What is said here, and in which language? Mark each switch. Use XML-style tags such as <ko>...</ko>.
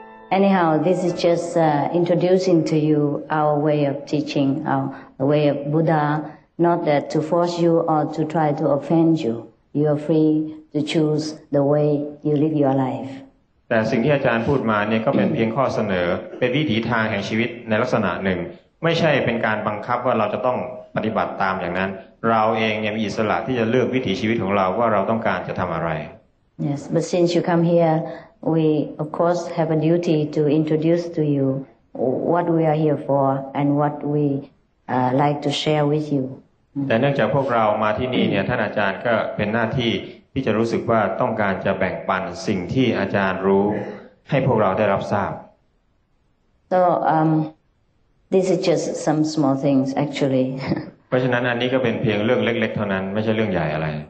<en>Anyhow, this is just introducing to you our way of teaching, our way of Buddha, not that to force you or to try to offend you. You are free to choose the way you live your life.</en> <th>แต่สิ่งที่อาจารย์พูดมาเนี่ยก็เป็นเพียงข้อเสนอเป็นวิถีทางแห่งชีวิตในลักษณะหนึ่งไม่ใช่เป็นการบังคับว่าเราจะต้องปฏิบัติตามอย่างนั้นเราเองยังมีอิสระที่จะเลือกวิถีชีวิตของเราว่าเราต้องการจะทำอะไร</th> <en>Yes, but since you come here, we of course have a duty to introduce to you what we are here for and what we like to share with you.</en> <th>แต่เนื่องจากพวกเรามาที่นี่เนี่ยท่านอาจารย์ก็เป็นหน้าที่ที่จะรู้สึกว่าต้องการจะแบ่งปันสิ่งที่อาจารย์รู้ให้พวกเราได้รับทราบ</th> <en>So this is just some small things actually.</en> <th>เพราะฉะนั้นอันนี้ก็เป็นเพียงเรื่องเล็กๆเท่านั้นไม่ใช่เรื่องใหญ่อะไร</th>